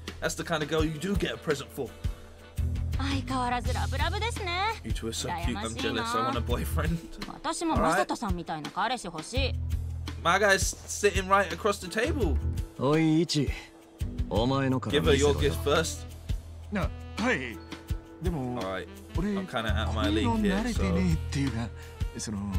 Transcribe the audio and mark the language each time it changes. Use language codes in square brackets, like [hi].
[en] That's the kind of girl you do get a present for. [ja] 相変わらずラブラブですね。 [en] You two are so cute. I'm jealous. I want a boyfriend. [ja] 私もマサトさんみたいな彼氏欲しい。 [en] My guy's sitting right across the table. [ja] おい、イチ。お前のから [en] Give her your gift first. [ja] な、はい。でも、 [en] 俺、I'm kind of out of my league here, so... [ja] 慣れてねっていうか、その…